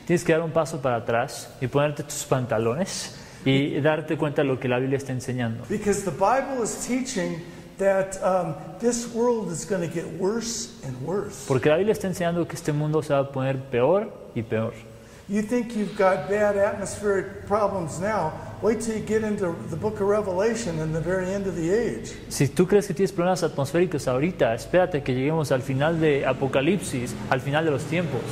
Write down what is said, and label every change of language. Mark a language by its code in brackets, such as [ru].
[es] Tienes que dar un paso para atrás y ponerte tus pantalones y darte cuenta de lo que la Biblia está enseñando. [en] Because the Bible is teaching that this world is going to get worse and worse. [es] Porque la Biblia está enseñando que este mundo se va a poner peor y peor. [en] You think you've got bad atmospheric problems now? Wait till you get into the Book of Revelation and the very end of the age. [es] Si tú crees que tienes problemas atmosféricos ahorita, espérate que lleguemos al final de Apocalipsis, al final de los tiempos.